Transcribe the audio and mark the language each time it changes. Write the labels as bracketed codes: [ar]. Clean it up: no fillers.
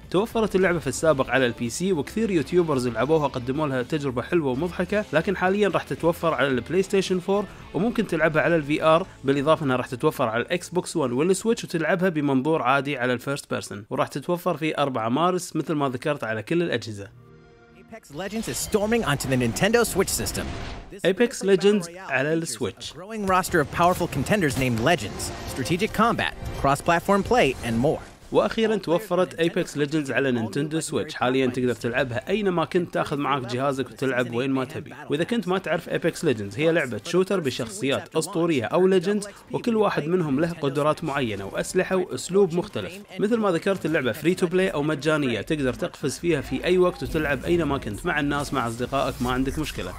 [ar] توفرت اللعبة في السابق على البي سي، وكثير يوتيوبرز لعبوها قدموا لها تجربة حلوة ومضحكة، لكن حاليا راح تتوفر على البلاي ستيشن 4 وممكن تلعبها على الفي آر، بالإضافة أنها راح تتوفر على الإكس بوكس 1 والسويتش وتلعبها بمنظور عادي على الفيرست بيرسون، وراح تتوفر في 4 مارس مثل ما ذكرت على كل الأجهزة. [en] Apex Legends is storming onto the Nintendo Switch system. [ar] Apex Legends على السويتش. [en] A growing roster of powerful contenders named Legends, strategic combat, cross-platform play, and more. [ar] وأخيراً توفرت Apex Legends على نينتندو سويتش، حالياً تقدر تلعبها أينما كنت، تأخذ معك جهازك وتلعب وين ما تبي. وإذا كنت ما تعرف Apex Legends، هي لعبة شوتر بشخصيات أسطورية أو ليجندز، وكل واحد منهم له قدرات معينة وأسلحة وأسلوب مختلف. مثل ما ذكرت اللعبة free to play أو مجانية، تقدر تقفز فيها في أي وقت وتلعب أينما كنت، مع الناس مع أصدقائك ما عندك مشكلة.